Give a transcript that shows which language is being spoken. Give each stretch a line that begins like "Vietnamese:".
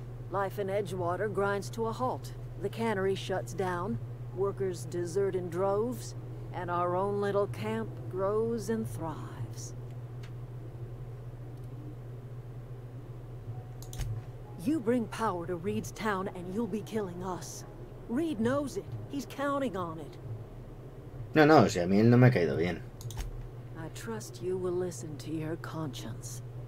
English: Life in Edgewater grinds to a halt. The cannery shuts down, workers desert in droves, and our own little camp grows and thrives. You bring power to Reed's town, and you'll be killing us. Reed knows it. He's counting on it.
Spanish: No, no, o sea, a mí él no me ha caído bien.
English: I trust you will listen to your conscience.